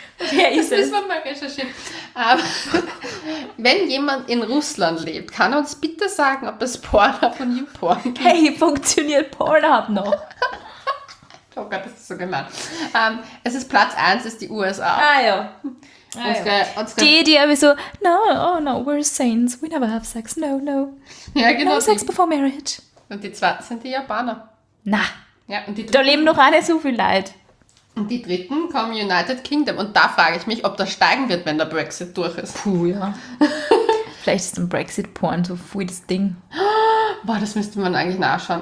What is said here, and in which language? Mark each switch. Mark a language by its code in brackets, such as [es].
[de] Wer ist das? Das müssen wir mal recherchieren. Aber wenn jemand in Russland lebt, kann er uns bitte sagen, ob es Pornhub und YouPorn gibt? Hey, funktioniert Pornhub noch? Oh Gott, das ist so gemein. Es ist Platz 1, ist die USA. Ah ja. Die so, [en] no, oh no, we're saints, we never have sex, no, no. [de] Ja, genau. [en] No sex before marriage. [de] Und die zweiten sind die Japaner. Na. Ja, und die dritten, da leben noch alle so viel Leute. Und die dritten kommen United Kingdom. Und da frage ich mich, ob das steigen wird, wenn der Brexit durch ist. Puh, ja. Vielleicht ist ein Brexit-Porn so voll das Ding. Boah, das müsste man eigentlich nachschauen.